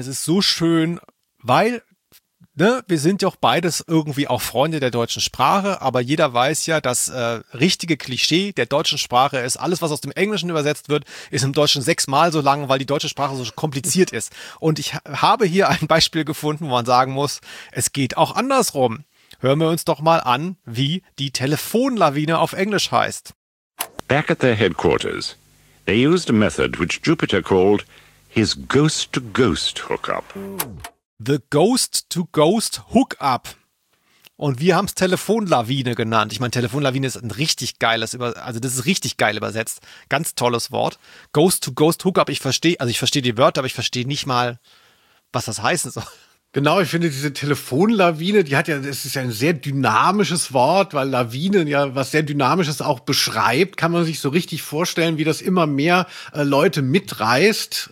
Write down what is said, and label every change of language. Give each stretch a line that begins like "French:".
German: Es ist so schön, weil, ne, wir sind ja auch beides irgendwie auch Freunde der deutschen Sprache, aber jeder weiß ja, das richtige Klischee der deutschen Sprache ist, alles, was aus dem Englischen übersetzt wird, ist im Deutschen 6-mal so lang, weil die deutsche Sprache so kompliziert ist. Und ich habe hier ein Beispiel gefunden, wo man sagen muss, es geht auch andersrum. Hören wir uns doch mal an, wie die Telefonlawine auf Englisch heißt.
English: Back at their headquarters, they used a method which Jupiter called his ghost-to-ghost hookup. The Ghost-to-Ghost Hookup.
German: Und wir haben es Telefonlawine genannt. Ich meine, Telefonlawine ist ein richtig geiles, das ist richtig geil übersetzt. Ganz tolles Wort. Ghost-to-Ghost Hookup, ich verstehe die Wörter, aber ich verstehe nicht mal, was das heißen soll. Genau, ich finde diese Telefonlawine, das ist ja ein sehr dynamisches Wort, weil Lawinen ja was sehr Dynamisches auch beschreibt, kann man sich so richtig vorstellen, wie das immer mehr Leute mitreißt.